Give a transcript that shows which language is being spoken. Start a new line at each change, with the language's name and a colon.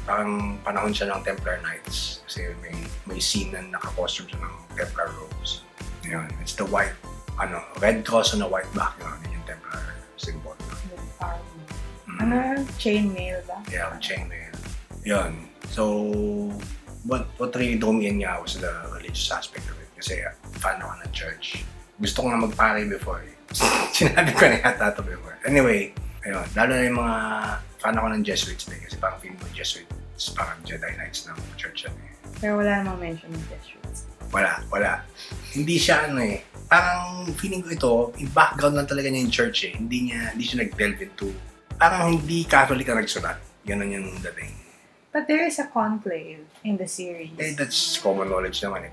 Filipino: Parang panahon siya ng Templar Knights kasi may scene na naka-costume siya ng Templar robes.
English: Yun, it's the white, red cross on a white back, yung Templar symbol. The army. Chainmail ba? Yeah, chainmail. Yun. So, what really drew me in niya was the religious aspect of it.
Filipino: Kasi fan ako ng church. Gusto ko nga magpare before eh. Sinabi ko na yata ito before. Anyway, ayun, lalo na yung mga fan ako ng Jesuits eh. Kasi parang film mo Jesuits, parang Jedi Knights ng church yan eh. Pero wala namang mention ng Jesuits. Wala. Hindi siya ano eh. Parang feeling ko ito, yung background lang talaga niya yung church eh. Hindi siya nag-
English: delve into.
Filipino: Parang hindi Catholic ang nagsulat. Ganun yung dating.
English: But there is a conclave in the series. Eh, that's common knowledge naman eh.